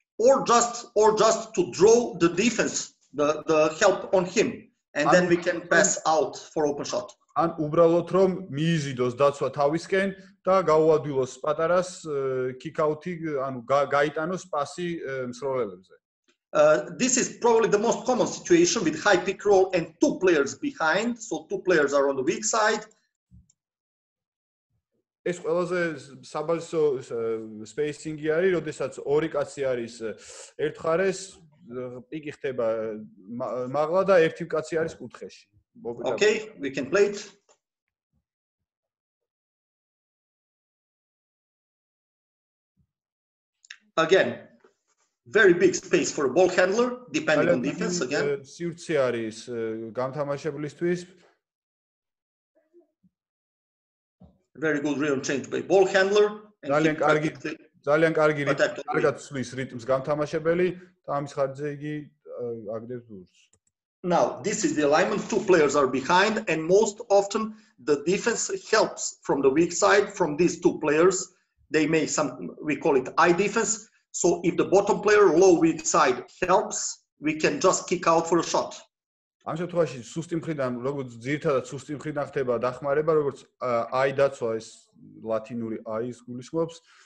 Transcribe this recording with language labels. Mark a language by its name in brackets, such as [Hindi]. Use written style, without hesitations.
[English] Or just to draw the defense, the help on him, and then we can pass out for open shot. [Georgian] ან უბრალოდ რომ მიიზიდოს დაცვა თავისკენ და გაუადვილოს პატარას kick-out-ი, ანუ გაიტანოს პასი მსროლელებზე. [English] This is probably the most common situation with high pick roll and two players behind, so two players are on the weak side. [Georgian] ეს ყველაზე საბაზისო spacing-ი არის, როდესაც ორი კაცი არის ერთ ხარეს, პიკი ხდება მაღლა და ერთი კაცი არის კუთხეში. [English] Okay, we can play it. Again, very big space for a ball handler depending on defense again. [Georgian] სივრცე არის გამთამაშებლისთვის. [English] Very good rhythm change by ball handler [Georgian] and ძალიან კარგად ცვლის რიტმს გამთამაშებელი და ამის ხარჯზე იგი აგდებს ბურს. [English] Now, this is the alignment, two players are behind and most often the defense helps from the weak side from these two players. They make some, we call it eye defense. So if the bottom player low weak side helps, we can just kick out for a shot. [Georgian] ამ შემთხვევაში სუსტი მხრიდან, როგორც ძირითადად სუსტი მხრიდან ხდება დახმარება, როგორც აი დაცვა ეს ლათინური აი-ის გულისხმობს.